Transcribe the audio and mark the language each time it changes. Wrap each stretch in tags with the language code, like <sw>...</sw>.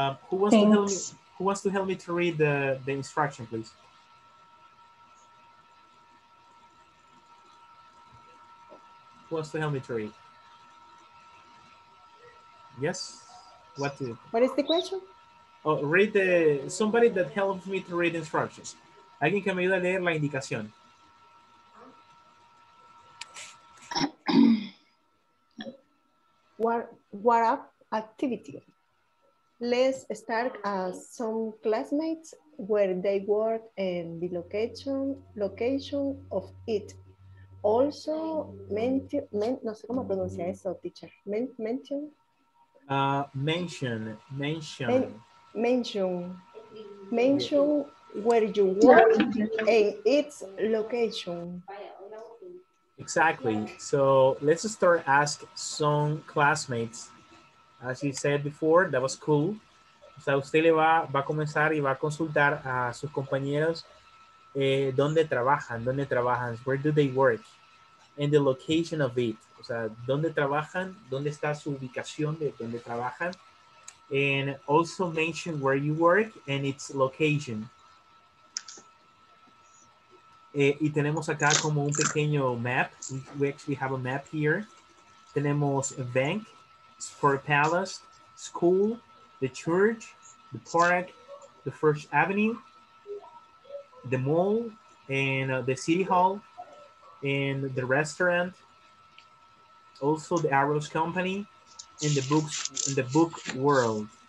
<en>Who wants to help me to read the instruction, please? Who wants to help me to read? Yes? What do you? What is the question? Oh, read the, somebody that helps me to read instructions.</en> <es>Alguien que me ayude a leer la indicación.</es> <en>what activity. Let's start as some classmates where they work and the location of it.</en> <es>Also, no sé cómo pronuncia eso, teacher.</es> <en>Mention where you work and its location. Exactly. So let's start ask some classmates. As you said before, that was cool.</en> <es>O sea, usted le va a comenzar y va a consultar a sus compañeros dónde trabajan,</es> <en>where do they work, and the location of it.</en> <es>O sea, dónde trabajan, dónde está su ubicación de dónde trabajan.</es> <en>And also mention where you work and its location.</en> <es>Y tenemos acá como un pequeño map.</es> <en>We actually have a map here. Tenemos a bank, Sport Palace, school, the church, the park, the First Avenue, the mall, and the city hall, and the restaurant, also the Arrows Company, and the books in the book world.</en>